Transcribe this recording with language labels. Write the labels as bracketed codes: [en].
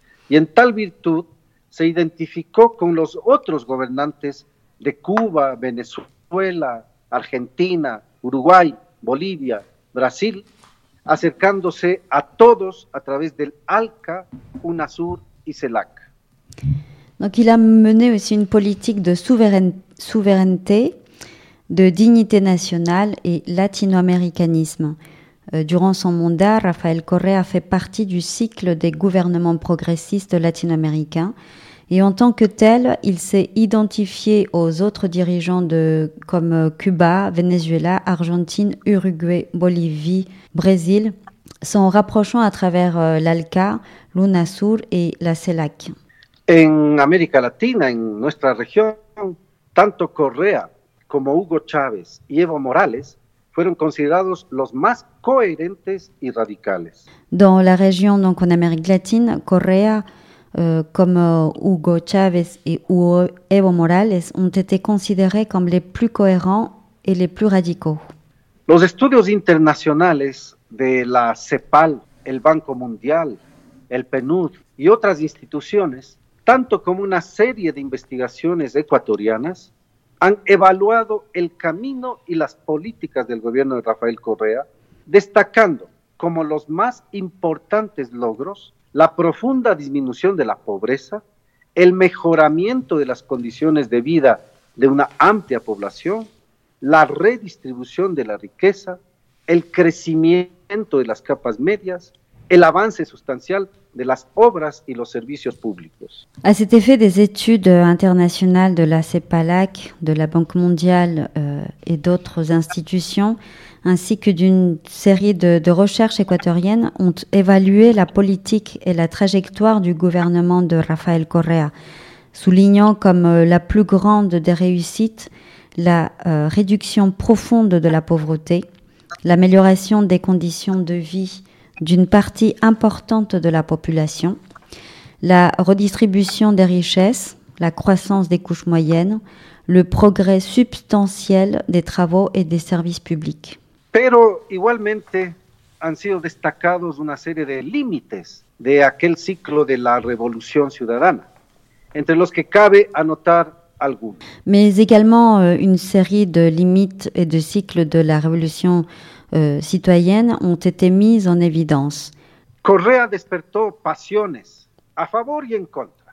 [es] Y en tal virtud se identificó con los otros gobernantes de Cuba, Venezuela, Argentina, Uruguay, Bolivia, Brasil, acercándose a todos a través del ALCA, UNASUR y CELAC. [fr] Donc il a mené aussi une politique de souveraineté, de dignité nationale et latino-américanisme. Durant son mandat, Rafael Correa fait partie du cycle des gouvernements progressistes latino-américains et en tant que tel, il s'est identifié aux autres dirigeants comme Cuba, Venezuela, Argentine, Uruguay, Bolivie, Brésil, s'en rapprochant à travers l'ALCA, l'UNASUR et la CELAC. [es] En América Latina, en nuestra región, tanto Correa como Hugo Chávez y Evo Morales fueron considerados los más coherentes y radicales. [fr] Dans la région, donc en Amérique latine, Correa, comme Hugo Chávez et Evo Morales, ont été considérés comme les plus cohérents et les plus radicaux. [es] Los estudios internacionales de la CEPAL, el Banco Mundial, el PNUD y otras instituciones, tanto como una serie de investigaciones ecuatorianas, han evaluado el camino y las políticas del gobierno de Rafael Correa, destacando como los más importantes logros la profunda disminución de la pobreza, el mejoramiento de las condiciones de vida de una amplia población, la redistribución de la riqueza, el crecimiento de las capas medias, el avance sustancial de las obras y los servicios públicos. [fr] À cet effet, des études internationales de la CEPALAC, de la Banque mondiale et d'autres institutions, ainsi que d'une série de recherches équatoriennes, ont évalué la politique et la trajectoire du gouvernement de Rafael Correa. soulignant comme la plus grande des réussites la réduction profonde de la pauvreté, l'amélioration des conditions de vie d'une partie importante de la population, la redistribution des richesses, la croissance des couches moyennes, le progrès substantiel des travaux et des services publics. [es] Pero igualmente han sido destacados una serie de límites de aquel ciclo de la Revolución Ciudadana, entre los que cabe anotar algunos. [fr] Mais également une série de limites et de cycles de la Révolution citoyenne ont été mis en évidence. [es] Correa despertó pasiones a favor y en contra.